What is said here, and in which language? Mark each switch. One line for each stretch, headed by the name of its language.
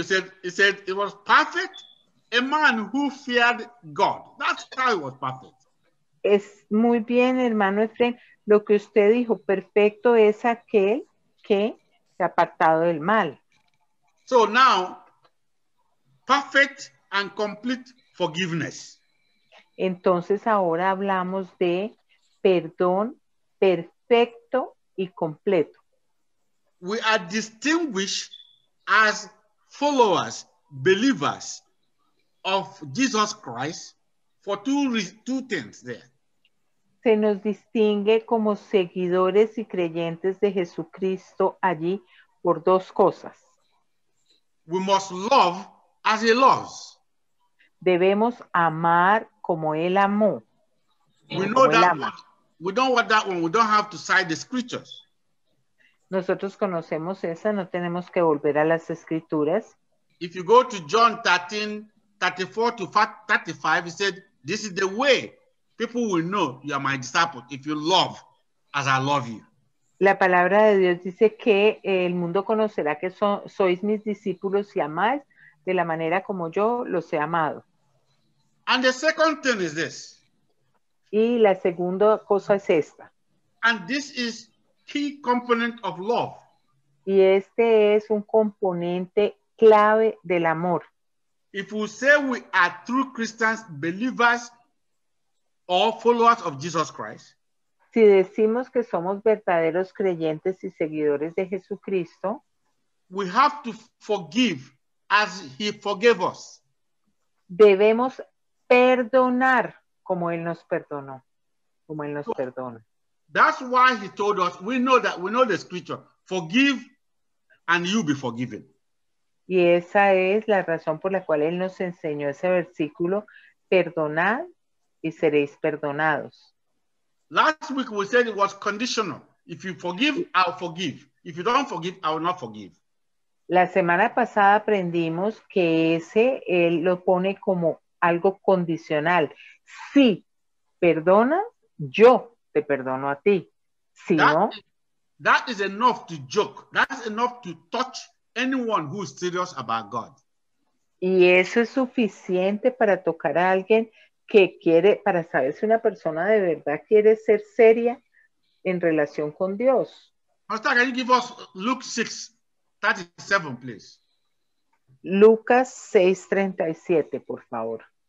English: He said it was perfect, a man who feared God. That's how it was perfect.
Spanish: Es muy bien, hermano Efraín, lo que usted dijo, perfecto es aquel que se ha apartado del mal.
English: So now, perfect and complete forgiveness.
Spanish: Entonces ahora hablamos de perdón perfecto y completo.
English: We are distinguished as followers, believers of Jesus Christ for two things there.
Spanish: Se nos distingue como seguidores y creyentes de Jesucristo allí por dos cosas.
English: We must love as he loves.
Spanish: Debemos amar como él amó.
English: We know that one. We don't want that one. We don't have to cite the scriptures.
Spanish: Nosotros conocemos esa, no tenemos que volver a las escrituras.
English: If you go to John 13:34-35, he said, this is the way. People will know you are my disciple if you love as I love you.
Spanish: La palabra de Dios dice que el mundo conocerá que sois mis discípulos si amáis de la manera como yo los he amado.
English: And the second thing is this.
Spanish: Y la segunda cosa es esta.
English: And this is key component of love.
Spanish: Y este es un componente clave del amor.
English: If we say we are true Christians, believers, all followers of Jesus Christ.
Spanish: Si decimos que somos verdaderos creyentes y seguidores de Jesucristo,
English: we have to forgive as he forgave us.
Spanish: Debemos perdonar como él nos perdonó, como él nos perdona.
English: That's why he told us, we know that, we know the scripture, forgive and you'll be forgiven.
Spanish: Y esa es la razón por la cual él nos enseñó ese versículo, perdonad y seréis perdonados.
English: Last week we said it was conditional. If you forgive, I'll forgive. If you don't forgive, I will not forgive.
Spanish: La semana pasada aprendimos que ese él lo pone como algo condicional. Si perdonas, yo te perdono a ti. Si
English: that,
Spanish: no.
English: That is enough to joke. That's enough to touch anyone who is serious about God.
Spanish: Y eso es suficiente para tocar a alguien que quiere, para saber si una persona de verdad quiere ser seria en relación con Dios.
English: Pastor, can you give us Luke 6:37, please?
Spanish: Lucas 6:37, por favor.